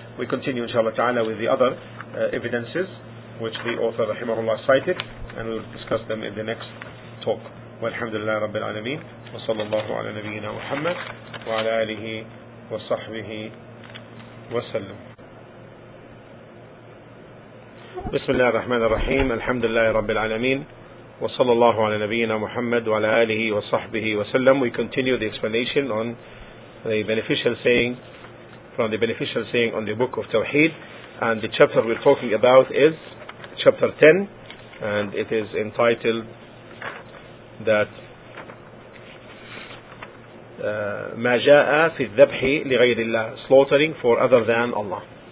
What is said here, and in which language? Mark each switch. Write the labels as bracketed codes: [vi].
[en] We continue inshallah ta'ala with the other evidences which the author rahimahullah cited, and we'll discuss them in the next talk. [ar] والحمد لله رب العالمين وصلى الله على نبينا محمد وعلى آله وصحبه وسلم. بسم الله الرحمن الرحيم. الحمد لله رب العالمين وصلى الله على نبينا محمد وعلى آله وصحبه وسلم. [en] We continue the explanation on the beneficial saying, from the beneficial saying on the book of Tawheed, and the chapter we're talking about is chapter 10, and it is entitled that [ar] ما جاء في الذبح لغير الله, [en] slaughtering for other than Allah.